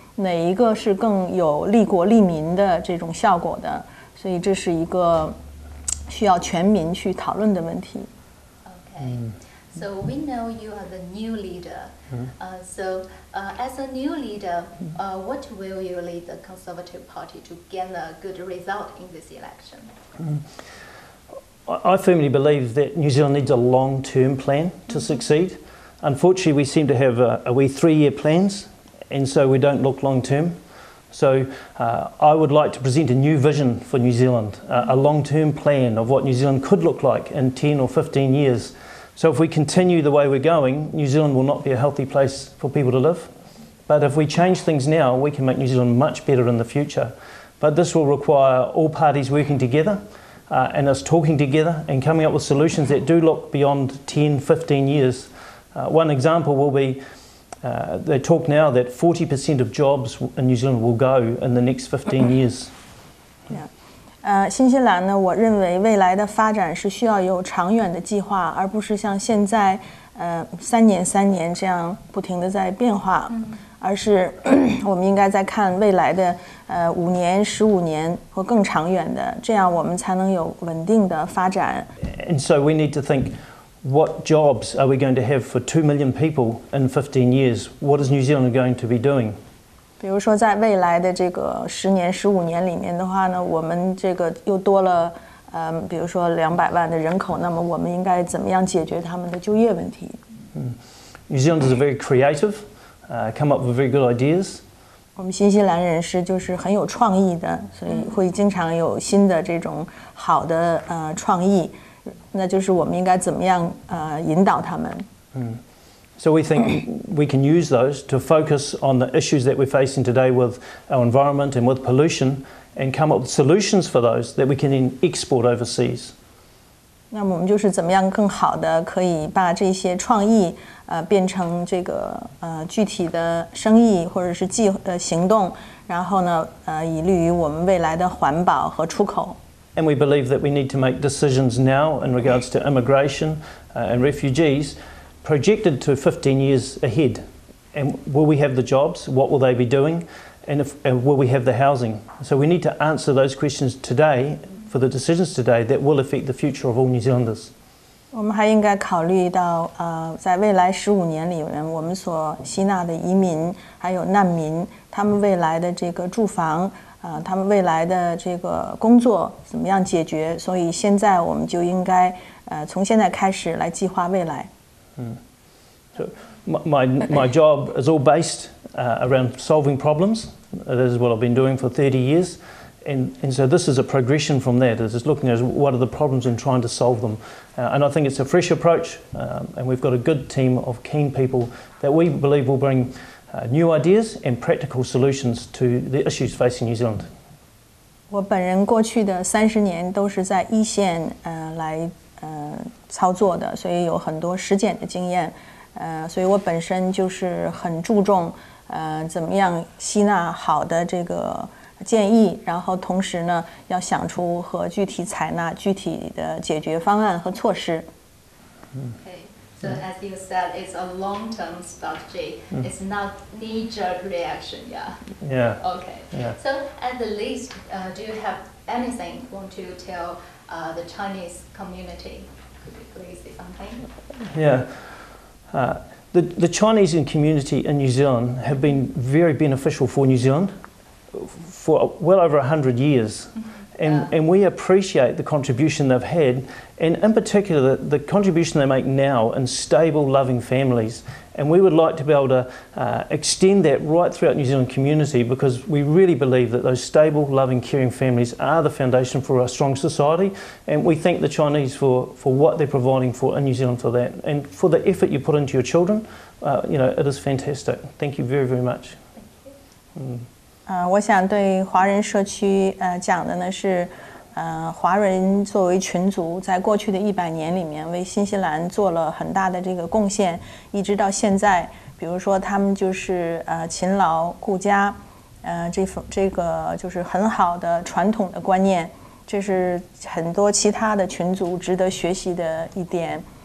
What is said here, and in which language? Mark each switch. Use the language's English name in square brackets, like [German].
[Chinese] 哪一个是更有利国利民的这种效果的？所以这是一个需要全民去讨论的问题。 [English] Okay, so we know you are the new leader. As a new leader, what will you lead the Conservative Party to gain a good result in this election? I firmly believe that New Zealand needs a long-term plan to succeed. Unfortunately, we seem to have a wee three-year plans. And so we don't look long term. So I would like to present a new vision for New Zealand, a long term plan of what New Zealand could look like in 10 or 15 years. So if we continue the way we're going, New Zealand will not be a healthy place for people to live. But if we change things now, we can make New Zealand much better in the future. But this will require all parties working together, and us talking together and coming up with solutions that do look beyond 10, 15 years. One example will be,they talk now that 40% of jobs in New Zealand will go in the next 15 years. Yeah. [Chinese] 新西兰呢，我认为未来的发展是需要有长远的计划，而不是像现在三年这样不停的在变化，而是我们应该在看未来的5年、15年或更长远的，这样我们才能有稳定的发展。 [English] And so we need to think. What jobs are we going to have for 2 million people in 15 years? What is New Zealand going to be doing? [Chinese] 比如说在未来的这个十年、十五年里面的话呢，我们这个又多了，比如说200万的人口，那么我们应该怎么样解决他们的就业问题？ [English] New Zealanders are very creative, come up with very good ideas. [Chinese] 我们新西兰人是就是很有创意的，所以会经常有新的这种好的创意。那就是我们应该怎么样引导他们。 [English] So we think we can use those to focus on the issues that we're facing today with our environment and with pollution and come up with solutions for those that we can then export overseas. [Chinese] 那么我们就是怎么样更好的可以把这些创意变成这个具体的生意或者是行动，然后呢以利于我们未来的环保和出口。 [English] And we believe that we need to make decisions now in regards to immigration and refugees projected to 15 years ahead. And will we have the jobs? What will they be doing? And will we have the housing? So we need to answer those questions today for the decisions today that will affect the future of all New Zealanders. We should also consider that in the next 15 years, we have the refugees, the immigrants, and the refugees, and the refugees. [Chinese] 他们未来的这个工作怎么样解决？所以现在我们就应该，从现在开始来计划未来。 [English] So my job is all based around solving problems. This is what I've been doing for 30 years, and so this is a progression from that. It's just looking at what are the problems and trying to solve them. And I think it's a fresh approach, and we've got a good team of keen people that we believe will bring. New ideas and practical solutions to the issues facing New Zealand. [Chinese] 我本人过去的30年都是在一线来操作的，所以有很多实践的经验。所以我本身就是很注重怎么样吸纳好的这个建议，然后同时呢要想出和具体采纳具体的解决方案和措施。 [English] So as you said, it's a long-term strategy. It's not knee-jerk reaction, Okay. Yeah. So at the least, do you have anything you want to tell the Chinese community? Could you please say something? Yeah. The Chinese in community in New Zealand have been very beneficial for New Zealand for well over 100 years. And, yeah. and we appreciate the contribution they've had, and in particular, the contribution they make now in stable, loving families. And we would like to be able to extend that right throughout New Zealand community, because we really believe that those stable, loving, caring families are the foundation for a strong society. And we thank the Chinese for what they're providing for in New Zealand for that. And for the effort you put into your children, you know, it is fantastic. Thank you very, very much. Thank you. [Chinese] 我想对华人社区讲的呢是华人作为群族在过去的一百年里面为新西兰做了很大的这个贡献，一直到现在，比如说他们就是勤劳顾家，这个就是很好的传统的观念，这是很多其他的群族值得学习的一点。